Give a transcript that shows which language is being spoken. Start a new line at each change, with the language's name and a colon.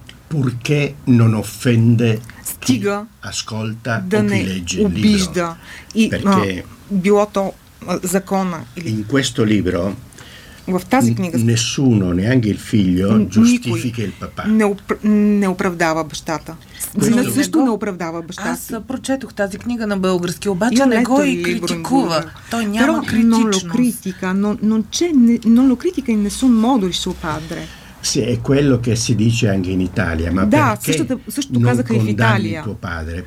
Italian: Purché non offende chi ascolta o chi legge il libro.
Bulgarian: И било то закона или
Italian: in questo libro
Bulgarian: в тази книга
Italian: nessuno, neanche il figlio, giustifica il papà.
Bulgarian: Не оправдава бащата. Зина също не оправдава бащата. Аз прочетох тази книга на български, обаче не го и критикува. Той няма критичност.
Italian: Non lo critica in nessun modo il suo padre. Sì, è quello che si dice anche in Italia, ma
Bulgarian: da,
Italian: perché non condanni tuo padre?